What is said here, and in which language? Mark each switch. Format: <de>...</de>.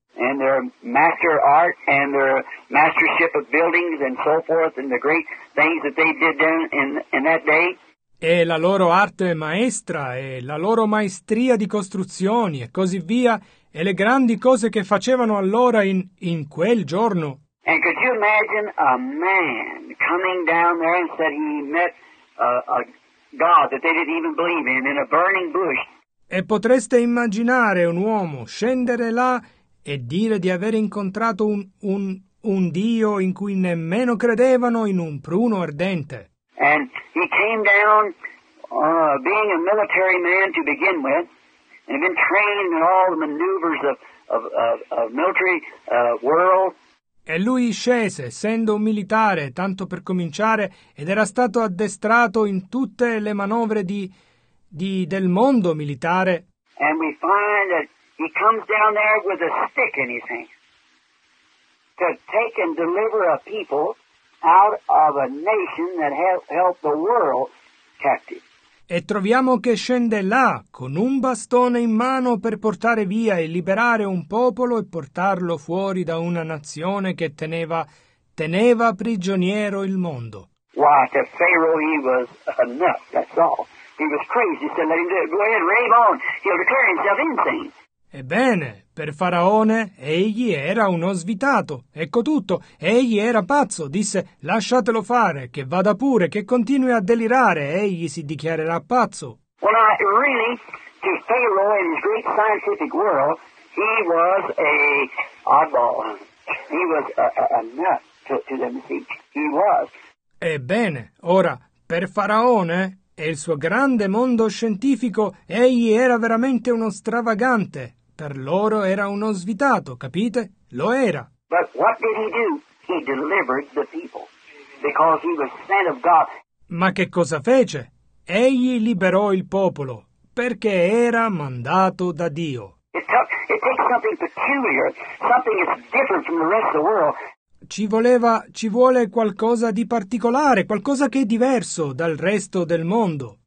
<en>And their master art and their mastership of buildings and so forth and the great things that they did then in that day.</en> <it>E la loro arte maestra e la loro maestria di costruzioni e così via e le grandi cose che facevano allora in quel giorno.</it> <en>And could you imagine a man coming down there and said he met a God that they didn't even believe in a burning bush?</en> <it>E potreste immaginare un uomo scendere là e dire di aver incontrato un Dio in cui nemmeno credevano in un pruno ardente?</it> <en>And he came down being a military man to begin with, and been trained in all the maneuvers of military world.</en> <it>E lui scese, essendo un militare, tanto per cominciare, ed era stato addestrato in tutte le manovre del mondo militare.</it> <en>And we find that he comes down there with a stick in his hand to take and deliver a people out of a nation that held the world captive.</en> <it>E troviamo che scende là con un bastone in mano per portare via e liberare un popolo e portarlo fuori da una nazione che teneva prigioniero il mondo.</it> <en>Why, to Pharaoh he was enough, that's all. He was crazy, so let him do it. Go ahead, rave on. He'll declare himself insane.</en> <it>Ebbene, per Faraone egli era uno svitato. Ecco tutto, egli era pazzo. Disse, lasciatelo fare, che vada pure, che continui a delirare. Egli si dichiarerà pazzo.</it> <en>Well, now, really, to Pharaoh in his great scientific world, he was a oddball. He was a nut to them, see. He was.</en> <it>Ebbene, ora, per Faraone e il suo grande mondo scientifico, egli era veramente uno stravagante. Per loro era uno svitato, capite? Lo era.</it> <en>But what did he do? He delivered the people because he was sent of God.</en> <it>Ma che cosa fece? Egli liberò il popolo perché era mandato da Dio.</it> <en>It takes something peculiar, something that's different from the rest of the world.</en> <it>Ci vuole qualcosa di particolare, qualcosa che è diverso dal resto del mondo.</it>